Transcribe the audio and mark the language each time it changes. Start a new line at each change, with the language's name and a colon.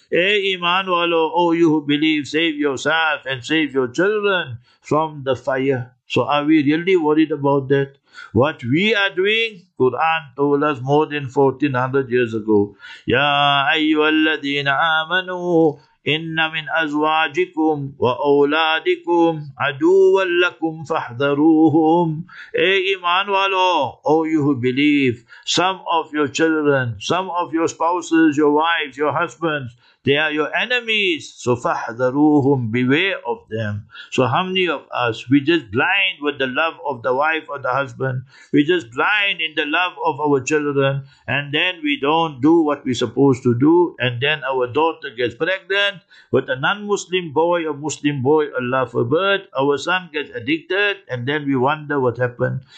Urdu: Ey iman walo,
English: O you who believe, save yourself and save your children from the fire. So are we really worried about that? What we are doing, Quran told us more than 1400 years ago.
Arabic: Ya ayyuhalladhina amanu, إن من أزواجكم وأولادكم عدوا لكم فاحذروهم.
Urdu: أي إيمان والو,
English: O you who believe, some of your children, some of your spouses, your wives, your husbands, they are your enemies. So فاحذروهم, beware of them. So how many of us, we just blind with the love of the wife or the husband, we just blind in the love of our children, and then we don't do what we're supposed to do, and then our daughter gets pregnant with a non-Muslim boy or Muslim boy, Allah forbid, our son gets addicted, and then we wonder what happened.